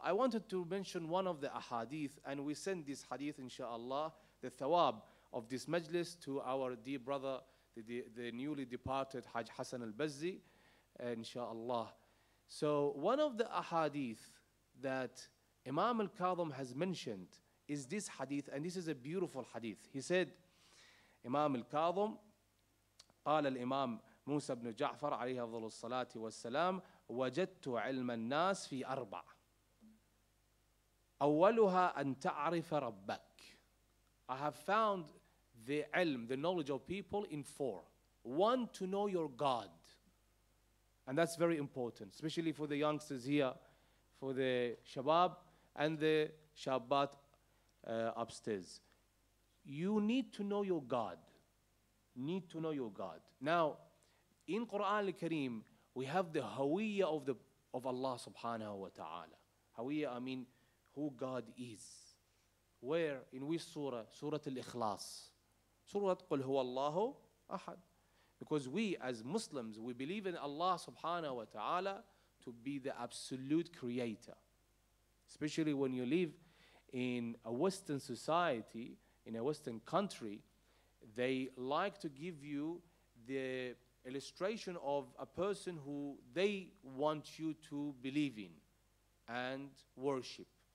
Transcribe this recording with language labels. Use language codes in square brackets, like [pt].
[en] I wanted to mention one of the ahadith, and we send this hadith, inshallah, the thawab of this majlis, to our dear brother, the newly departed Hajj Hassan al-Bazzi, inshallah. So one of the ahadith that Imam al-Kadhim has mentioned is this hadith, and this is a beautiful hadith. He said, Imam al-Kadhim, [ar] قال الإمام موسى بن جعفر عليه أفضل الصلاة والسلام وجدت علم الناس في أربع أولها أن تعرف ربك. [en] I have found the ilm, the knowledge of people in four. One, to know your God. And that's very important, especially for the youngsters here, for the Shabab and the Shabbat upstairs. You need to know your God. Need to know your God. Now, in Quran al-Kareem, we have the hawiyya of Allah subhanahu wa ta'ala. Hawiyya, I mean, who God is. Where in which surah? Surah Al-Ikhlas. [ar] Surah قل هو الله أحد. [en] Because we as Muslims, we believe in Allah subhanahu wa ta'ala to be the absolute creator. Especially when you live in a Western society, in a Western country, they like to give you the illustration of a person who they want you to believe in and worship.